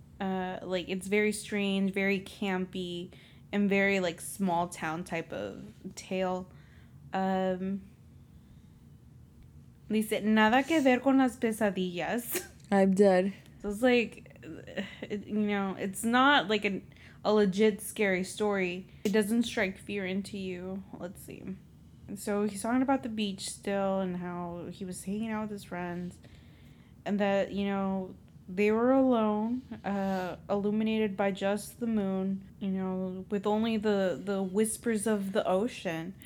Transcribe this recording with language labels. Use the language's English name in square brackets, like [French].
[English] Like, it's very strange, very campy, and very, like, small town type of tale. [Spanish] Dice, nada que ver con las pesadillas. [English] I'm dead. So it's like, you know, it's not, like, a legit scary story. It doesn't strike fear into you. Let's see. So he's talking about the beach still and how he was hanging out with his friends. And that, you know, they were alone, illuminated by just the moon, you know, with only the whispers of the ocean.